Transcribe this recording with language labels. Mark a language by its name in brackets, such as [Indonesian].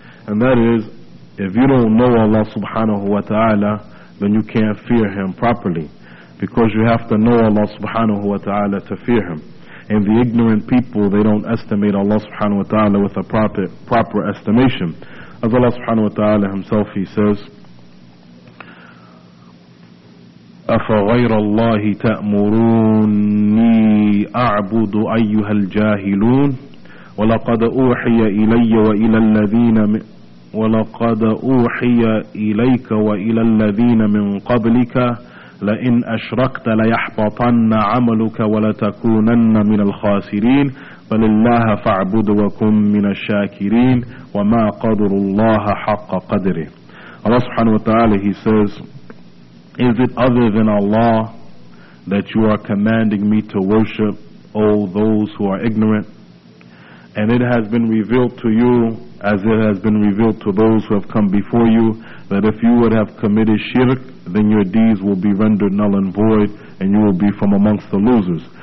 [English] And that is, if you don't know Allah subhanahu wa ta'ala, then you can't fear him properly, because you have to know Allah subhanahu wa ta'ala to fear him. And the ignorant people, they don't estimate Allah subhanahu wa ta'ala with a proper estimation. As Allah subhanahu wa ta'ala himself, he says, [Arabic] أَفَغَيْرَ اللَّهِ تَأْمُرُونِي أَعْبُدُ أَيُّهَا الْجَاهِلُونَ وَلَقَدْ أُوحِيَ إِلَيَّ وَإِلَى الَّذِينَ مِنْ وَلَقَدْ أُوحِيَ إِلَيْكَ وَإِلَى الَّذِينَ مِنْ قَبْلِكَ لَئِنْ أَشْرَكْتَ لَيَحْبَطَنَّ عَمَلُكَ وَلَتَكُونَنَّ مِنَ الْخَاسِرِينَ بَلِ اللَّهَ فَاعْبُدْ وَكُنْ مِنَ الشَّاكِرِينَ وَمَا قَدَرَ اللَّهُ حَقَّ قَدْرِهِ. [English] Allah subhanahu wa ta'ala, he says, "Is it other than Allah that you are commanding me to worship, O those who are ignorant? And it has been revealed to you, as it has been revealed to those who have come before you, that if you would have committed shirk, then your deeds will be rendered null and void, and you will be from amongst the losers.